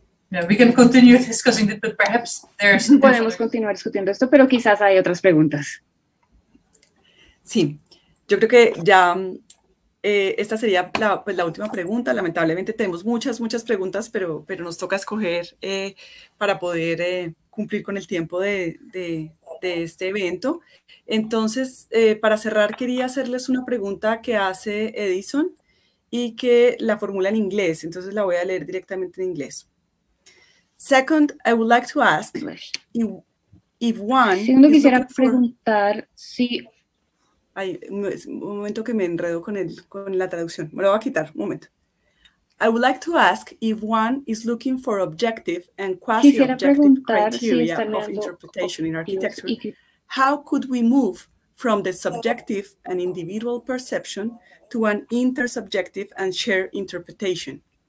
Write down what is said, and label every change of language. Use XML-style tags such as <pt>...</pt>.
<en>Yeah, we can continue discussing it, but perhaps there's</en> <es>podemos continuar discutiendo esto, pero quizás hay otras preguntas. Sí, yo creo que ya esta sería la, pues, la última pregunta. Lamentablemente tenemos muchas, muchas preguntas, pero nos toca escoger para poder cumplir con el tiempo de este evento. Entonces, para cerrar, quería hacerles una pregunta que hace Edison y que la formula en inglés. Entonces, la voy a leer directamente en inglés.</es> <en>Second, I would like to ask if one.</en> <es>Segundo, quisiera preguntar si. Ay, un momento que me enredo con la traducción. Me lo voy a quitar. Un momento.</es> <en>I would like to ask if one is looking for objective and quasi-objective criteria of interpretation in architecture. How could we move from the subjective and individual perception to an intersubjective and shared interpretation?</en>